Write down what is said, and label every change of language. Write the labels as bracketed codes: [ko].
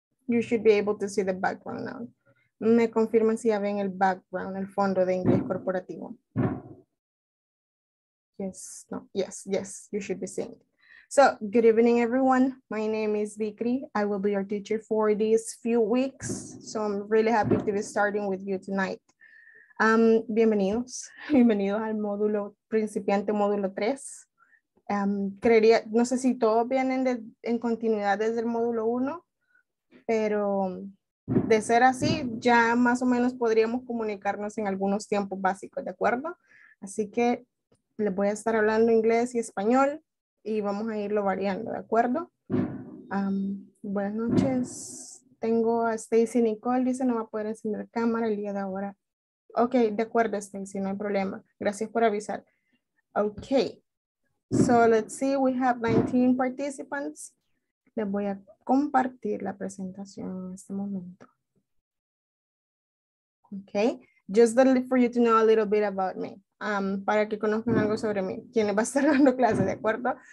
[en] You should be able to see the background now. [es] Me confirman si ya ven el background, el fondo de inglés corporativo. [en] Yes, no, yes, yes, you should be seeing. So, good evening, everyone. My name is Vikri. I will be your teacher for these few weeks. So I'm really happy to be starting with you tonight. [es] Bienvenidos. Bienvenidos al módulo principiante, módulo 3. Creería, no sé si todos vienen de, en continuidad desde el módulo 1, pero de ser así, ya más o menos podríamos comunicarnos en algunos tiempos básicos, ¿de acuerdo? Así que les voy a estar hablando inglés y español. Y vamos a irlo variando, ¿de acuerdo? Buenas noches. Tengo a Stacy Nicole. Dice, no va a poder encender cámara el día de ahora. Ok, de acuerdo, Stacy, no hay problema. Gracias por avisar. Ok. [en] So, let's see. We have 19 participants. [es] Les voy a compartir la presentación en este momento. Ok. [en] Just for you to know a little bit about me. [es] Para que conozcan algo sobre mí, quién va a estar dando clases, ¿de acuerdo?